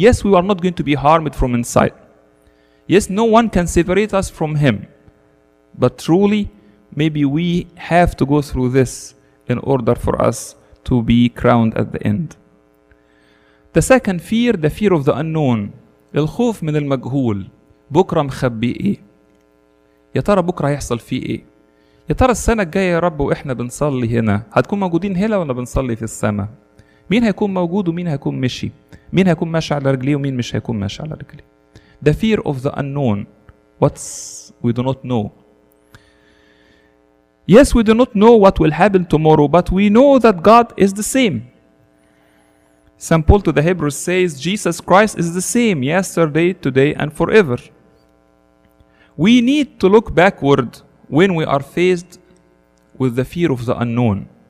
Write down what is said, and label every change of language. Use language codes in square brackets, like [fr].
[en] Yes, we are not going to be harmed from inside. Yes, no one can separate us from Him. But truly, maybe we have to go through this in order for us to be crowned at the end. The second fear, the fear of the unknown. [ar] الخوف من المجهول. بكرة مخبي إيه؟ يا ترى بكرة هيحصل فيه إيه؟ يا ترى السنة الجاية يا رب وإحنا بنصلي هنا هتكون موجودين هنا ولا بنصلي في السماء؟ مين هيكون موجود ومين هيكون مشي؟ مين هيكون ماشي على رجليه ومين مش هيكون ماشي على رجليه؟ [en] The fear of the unknown. What we do not know. Yes, we do not know what will happen tomorrow, but we know that God is the same. St. Paul to the Hebrews says, Jesus Christ is the same yesterday, today, and forever. We need to look backward when we are faced with the fear of the unknown.